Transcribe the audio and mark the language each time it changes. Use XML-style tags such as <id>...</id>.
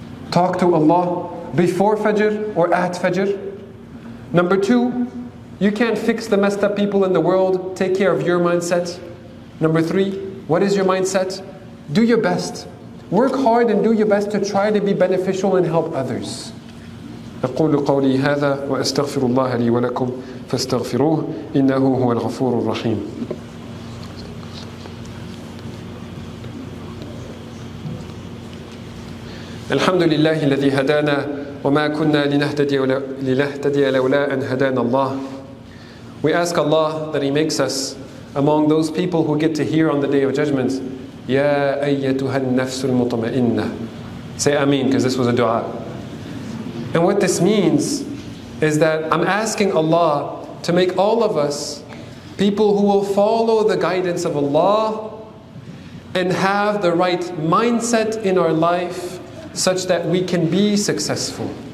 <en>Talk to Allah before Fajr or at Fajr. Number two, you can't fix the messed up people in the world. Take care of your mindset. Number three, what is your mindset? Do your best. Work hard and do your best to try to be beneficial and help others.</en> <ar>أقول قولي هذا وأستغفر الله لي ولكم فاستغفروه إنه هو الغفور الرحيم. الحمد لله الذي هدانا وما كنا لنهتدي لولا أن هدانا الله.</ar> <en>We ask Allah that He makes us among those people who get to hear on the Day of Judgment, Ya</en> <ar>أَيَّتُهَا النَّفْسُ الْمُطْمَئِنَّةِ.</ar> <en>Say Ameen, because this was a dua. And what this means is that I'm asking Allah to make all of us people who will follow the guidance of Allah and have the right mindset in our life such that we can be successful.</en>